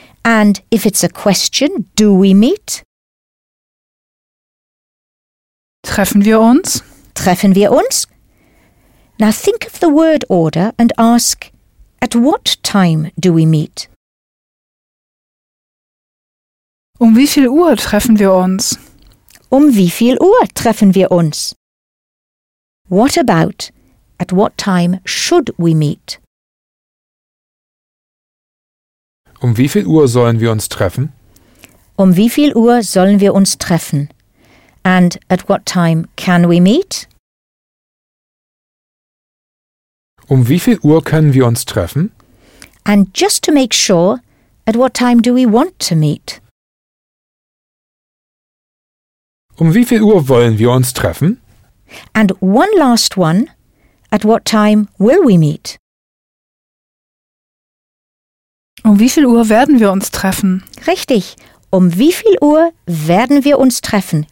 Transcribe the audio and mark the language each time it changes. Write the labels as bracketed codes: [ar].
[en] And if it's a question, do we meet? [de] Treffen wir uns? Treffen wir uns? [en] Now think of the word order and ask, at what time do we meet? [de] Um wie viel Uhr treffen wir uns? Um wie viel Uhr treffen wir uns? [en] What about, at what time should we meet? [de] Um wie viel Uhr sollen wir uns treffen? Um wie viel Uhr sollen wir uns treffen? [en] And at what time can we meet? [de] Um wie viel Uhr können wir uns treffen? [en] And just to make sure, at what time do we want to meet? [de] Um wie viel Uhr wollen wir uns treffen? [en] And one last one, at what time will we meet? [de] Um wie viel Uhr werden wir uns treffen? Richtig, um wie viel Uhr werden wir uns treffen?